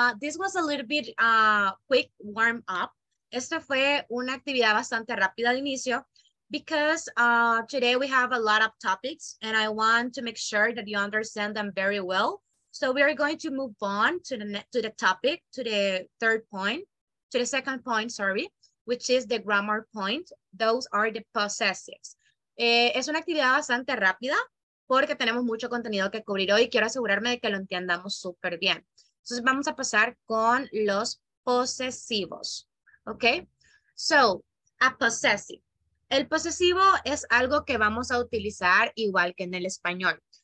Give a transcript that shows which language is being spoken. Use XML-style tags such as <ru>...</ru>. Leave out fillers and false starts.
<en>This was a little bit quick warm up.</en> <es>Esta fue una actividad bastante rápida al inicio.</es> <en>Because today we have a lot of topics and I want to make sure that you understand them very well. So we are going to move on to the second point, which is the grammar point. Those are the possessives.</en> <es>Es una actividad bastante rápida porque tenemos mucho contenido que cubrir hoy y quiero asegurarme de que lo entendamos súper bien. Entonces vamos a pasar con los posesivos, okay?</es> <en>So a possessive.</en> <es>El posesivo es algo que vamos a utilizar igual que en el español.</es>